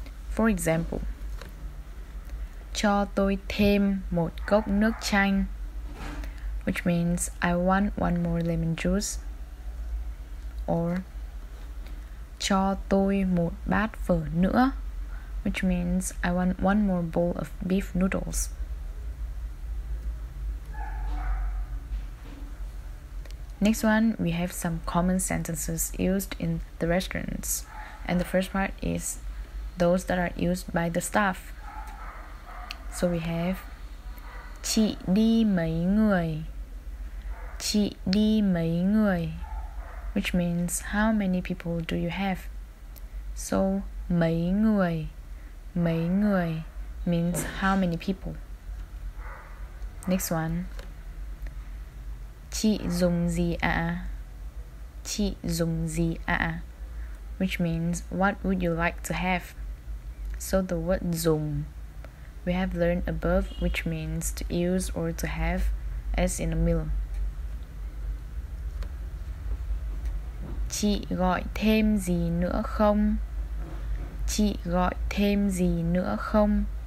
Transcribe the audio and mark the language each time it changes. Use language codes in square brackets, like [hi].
[en] For example, [vi] cho tôi thêm một cốc nước chanh, [en] which means I want one more lemon juice, or [vi] cho tôi một bát phở nữa, [en] which means I want one more bowl of beef noodles. Next one, we have some common sentences used in the restaurants. And the first part is those that are used by the staff. So we have [vi] chị đi mấy người, chị đi mấy người, [en] which means how many people do you have. So mấy người means how many people. Next one, [vi] chị dùng gì ạ, chị dùng gì ạ, [en] which means what would you like to have. So the word dùng we have learned above, which means to use or to have, as in a meal. [vi] Chị gọi thêm gì nữa không? Chị gọi thêm gì nữa không?